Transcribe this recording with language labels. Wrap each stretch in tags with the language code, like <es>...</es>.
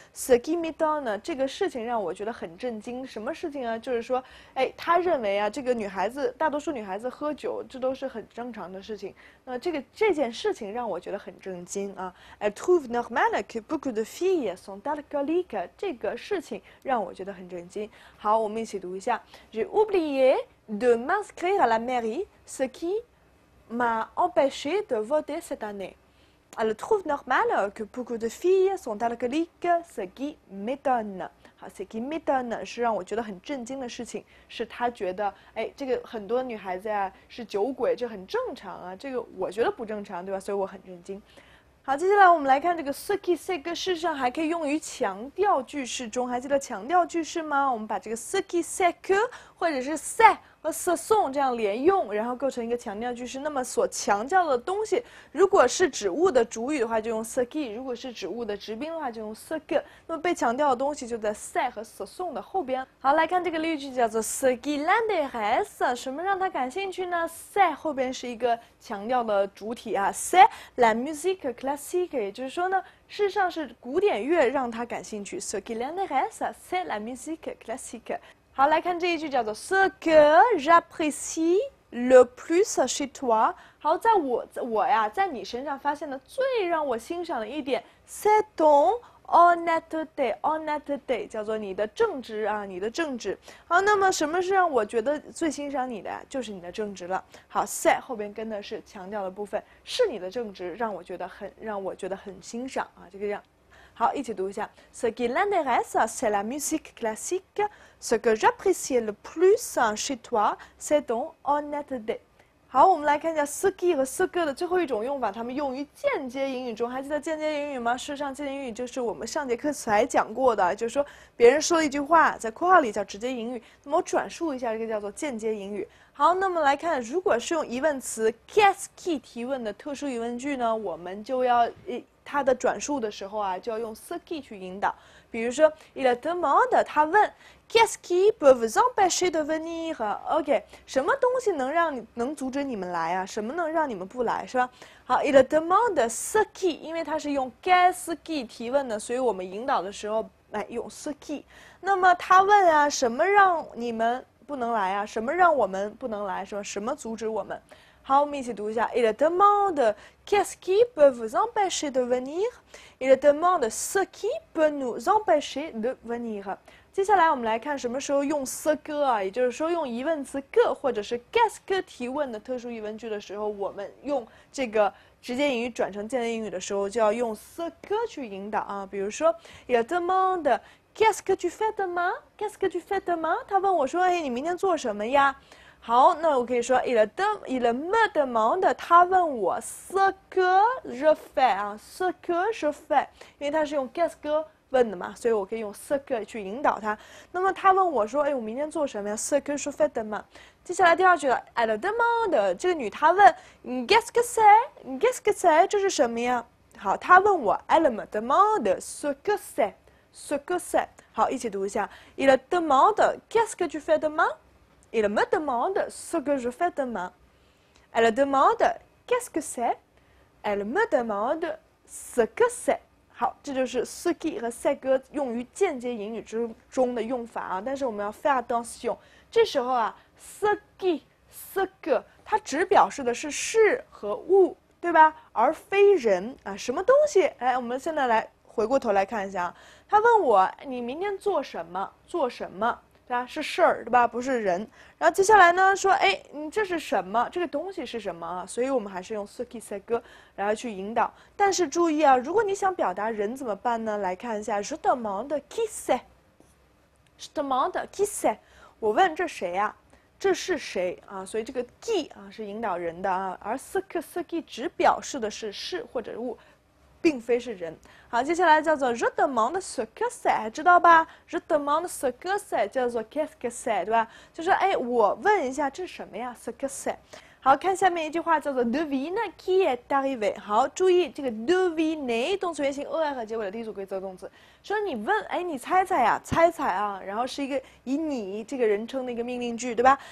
<fr>ce qui m'étonne</fr> <zh>这个事情让我觉得很震惊。什么事情啊？就是说，她认为啊，这个女孩子，大多数女孩子喝酒，这都是很正常的事情。那这件事情让我觉得很震惊啊 ！</zh> <fr>Elle trouve normal。 Beaucoup de filles sont alcooliques，</fr> <zh>这个事情让我觉得很震惊。好，我们一起读一下</zh> <fr>：J'ai oublié de m'inscrire à la mairie, ce qui m'a empêché de voter cette année. Elle trouve normal que beaucoup de filles sont alcooliques, ce qui m'étonne.</fr> <zh>好 ，</zh> <fr>ce qui m'étonne</fr> <zh>是让我觉得很震惊的事情，是他觉得，这个很多女孩子呀、是酒鬼，这很正常啊，这个我觉得不正常，对吧？所以我很震惊。好，接下来我们来看这个</zh> <fr>ce qui c'est que，</fr> <zh>事实上还可以用于强调句式中，还记得强调句式吗？我们把这个 ce qui c'est que 或者是 c'est 和</zh> <fr>ce sont</fr> <zh>这样连用，然后构成一个强调句式。那么所强调的东西，如果是指物的主语的话，就用 ce qui；如果是指物的直宾的话，就用 ce que。那么被强调的东西就在 c 和</zh> <fr>ce sont</fr> <zh>的后边。好，来看这个例句，叫做</zh> <fr>ce qui l'intéresse，</fr> <zh>什么让他感兴趣呢 ？c 后边是一个强调的主体啊 ，</zh> <fr>c'est la musique classique，</fr> <zh>也就是说呢，事实上是古典乐让他感兴趣。</zh> <fr>ce qui l'intéresse， c'est la musique classique。</fr> <zh>好，来看这一句，叫做</zh> <fr>ce que j'apprécie le plus chez toi。</fr> <zh>好，在我呀，在你身上发现的最让我欣赏的一点 ，</zh> <fr>c'est ton honnêteté，</fr> <zh>叫做你的正直啊，你的正直。好，那么什么是让我觉得最欣赏你的，就是你的正直了。好 ，c'est 后边跟的是强调的部分，是你的正直让我觉得很欣赏啊，这个样。</zh> <fr>好，一起读一下 ：Ce qui l'intéresse, c'est la musique classique. Ce que j'apprécie le plus chez toi, c'est ton honnêteté.</fr> <zh>好，我们来看一下 ce qui 和 ce que 的最后一种用法，它们用于间接引语中。还记得间接引语吗？事实上，间接引语就是我们上节课才讲过的，就是说别人说了一句话，在括号里叫直接引语。那么我转述一下，这个叫做间接引语。好，那么来看，如果是用疑问词 qu'est-ce qui 提问的特殊疑问句呢？我们就要它的转述的时候啊，就要用 ce qui 去引导。比如说</zh> <fr>，il demande，</fr> <zh>他问</zh> <fr>，qu'est-ce qui peut vous empêcher de venir？OK，</fr> <zh>什么东西能阻止你们来啊？什么能让你们不来，是吧？好 ，</zh> <fr>il demande ce qui，</fr> <zh>因为它是用</zh> <fr>qu'est-ce qui</fr> <zh>提问的，所以我们引导的时候来用 ce qui。那么他问啊，什么让你们不能来啊？什么让我们不能来，是吧？什么阻止我们？好，我们一起读一下 ，</zh> <fr>il demande。 Qu'est-ce qui peut vous empêcher de venir? Il demande ce qui peut nous empêcher de venir.</fr> <zh>接下来我们来看什么时候用 ce que 啊，也就是说用疑问词 que 或者是</zh> <fr>qu'est-ce que</fr> <zh>提问的特殊疑问句的时候，我们用这个直接引语转成间接引语的时候，就要用 ce que 去引导啊。</zh> <fr>比如说 ，Il demande qu'est-ce que tu fais demain? Qu'est-ce que tu fais demain?</fr> <zh>他问我说，哎，你明天做什么呀？好，那我可以说</zh> <fr>il me demande，</fr> <zh>他问我</zh> <fr>ce que je fais</fr> <zh>啊 ，ce que je fais， 因为他是用 qu'est-ce que 问的嘛，所以我可以用 ce que 去引导他。那么他问我说，哎，我明天做什么呀 ？</zh> <fr>ce que je fais demain。</fr> <zh>接下来第二句了 ，</zh> <fr>elle demande，</fr> <zh>这个女她问</zh> <fr>qu'est-ce que c'est，qu'est-ce que c'est，</fr> <zh>这是什么呀？好，她问我</zh> <fr>elle me demande ce que c'est，ce que c'est。</fr> <zh>好，一起读一下</zh> <fr>，il demande qu'est-ce que tu fais demain。 Il me demande ce que je fais demain. Elle demande qu'est-ce que c'est. Elle me demande ce que c'est.</fr> <zh>好，这就是 ce qui 和</zh> <fr>c'est que</fr> <zh>用于间接引语之中的用法啊。但是我们要</zh> <fr>faire attention，</fr> <zh>这时候啊 ，ce qui、ce que 它只表示的是事和物，对吧？而非人啊，什么东西？哎，我们现在来回过头来看一下啊。他问我，你明天做什么？做什么？对吧？是事儿，对吧？不是人。然后接下来呢，说，哎，你这是什么？这个东西是什么啊？所以我们还是用</zh> <fr>ce qui c'est que</fr> <zh>然后去引导。但是注意啊，如果你想表达人怎么办呢？</zh> <fr>来看一下 ，je demande qui c'est，je demande qui c'est，</fr> <zh>我问这谁呀、啊？这是谁啊？所以这个 qui 啊是引导人的啊，而</zh> <fr>ce que ce qui</fr> <zh>只表示的是事或者物。并非是人。</zh> <fr>好，接下来叫做 je demande ce que c'est，</fr> <zh>知道吧</zh> <fr>？je demande ce que c'est</fr> <zh>叫做</zh> <fr>qu'est-ce que c'est，</fr> <zh>对吧？就是哎，我问一下，这是什么呀 ？</zh> <fr>ce que c'est。</fr> <zh>好，看下面一句话，叫做</zh> <fr>devine qui est arrivé。</fr> <zh>好，注意这个 devine 动词原形 er 结尾的第一组规则动词，说你问，哎，你猜猜呀、啊，猜猜啊，然后是一个以你这个人称的一个命令句，对吧？</zh>